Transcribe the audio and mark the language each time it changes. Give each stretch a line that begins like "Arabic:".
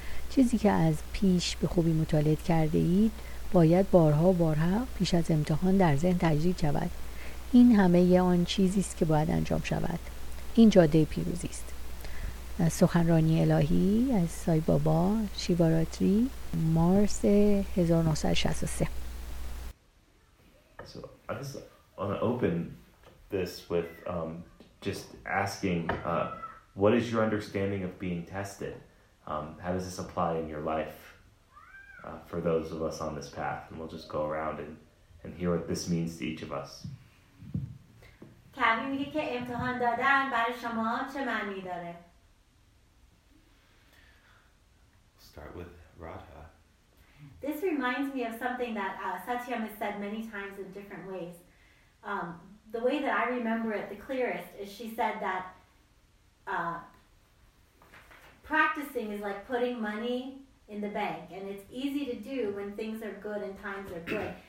Persian: چیزی که از پیش به خوبی مطالعه کرده اید، باید بارها و بارها پیش از امتحان در ذهن تجرید شود. این همه آن چیزی است که باید انجام شود. این جاده پیروزی است. سخنرانی الهی از سای بابا شیواراتری مارس 1963.
English: So I just want to open this with just asking what is your understanding of being tested? How does this apply in your life for those of us on this path? And we'll just go around and hear what this means to each of us.
Persian: کمی میگه که امتحان دادن برای شما چه معنی داره؟
English: Start with Radha. This reminds me of something that Satyam has said many times in different ways. The way that I remember it the clearest is she said that practicing is like putting money in the bank, and it's easy to do when things are good and times are good.